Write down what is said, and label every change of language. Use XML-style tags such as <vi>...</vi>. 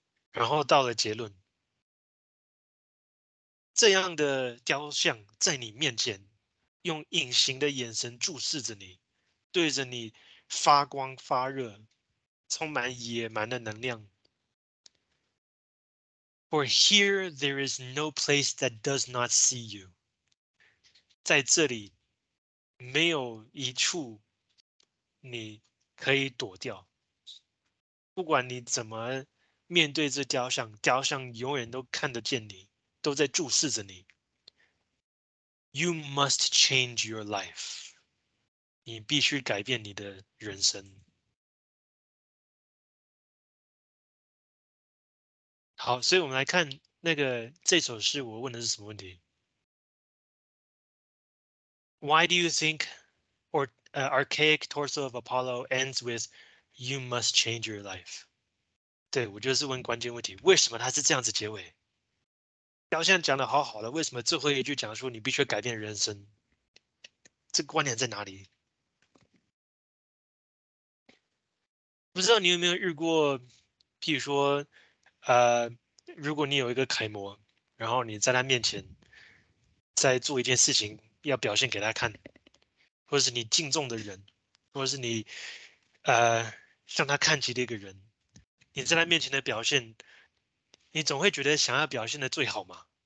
<zh>然后到了结论，这样的雕像在你面前用隐形的眼神注视着你，对着你发光发热，充满野蛮的能量。</zh> <en>For here there is no place that does not see you.</en> <zh>在这里没有一处你可以躲掉，不管你怎么面对这雕像，雕像永远都看得见你，都在注视着你。</zh> <en>You must change your life.</en> <zh>你必须改变你的人生。好，所以我们来看那个这首诗，我问的是什么问题 ？</zh> <en>Why do you think or archaic torso of Apollo ends with "You must change your life."</en> <zh>对，我就是问关键问题，为什么他是这样子结尾？表现讲得好好的，为什么最后一句讲说你必须改变人生？这个观点在哪里？不知道你有没有遇过，譬如说，如果你有一个楷模，然后你在他面前在做一件事情，要表现给他看，或者是你敬重的人，或者是你向他看齐的一个人，你在他面前的表现，你总会觉得想要表现的最好嘛？</zh>